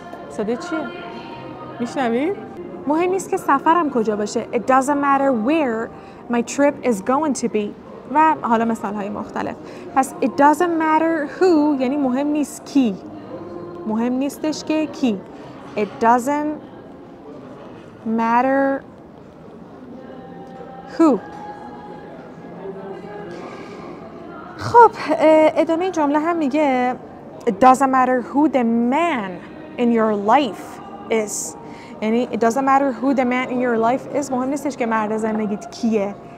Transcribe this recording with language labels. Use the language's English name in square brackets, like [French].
[Persian] صدای چیه؟ میشنوی؟ مهم نیست که سفرم کجا باشه. [English] It doesn't matter where my trip is going to be. [Persian] و حالا مثال های مختلف. پس [English] it doesn't matter who [Persian] یعنی مهم نیست کی. مهم نیستش که کی. [English] It doesn't matter who. [Persian] خب ادامه جمله هم میگه [English] It doesn't matter who the man in your life is. [Persian] یعنی [English] It doesn't matter who the man in your life is. [Persian] مهم نیستش که مرد زندگیت کیه.